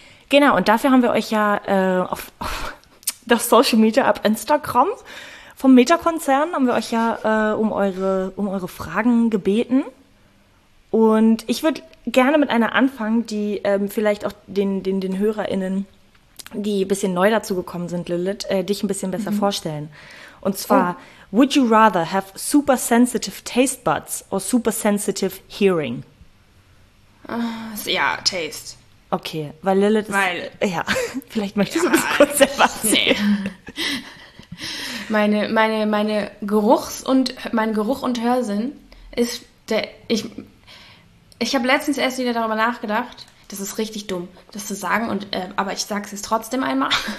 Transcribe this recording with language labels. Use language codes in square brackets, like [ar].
[de] Genau, und dafür haben wir euch ja auf das Social Media ab Instagram vom Meta-Konzern haben wir euch ja um eure Fragen gebeten. Und ich würde gerne mit einer anfangen, die vielleicht auch den HörerInnen, die ein bisschen neu dazu gekommen sind, Lilith, dich ein bisschen besser vorstellen. Und zwar, [en] Would you rather have super sensitive taste buds or super sensitive hearing? [de] Ja, taste. Okay, weil Lilith ist... Weil... Ja, vielleicht möchtest du das kurz selber sehen. Nee. Meine Geruchs- und mein Geruch- und Hörsinn ist der... Ich habe letztens erst wieder darüber nachgedacht, das ist richtig dumm, das zu sagen, aber ich sage es jetzt trotzdem einmal.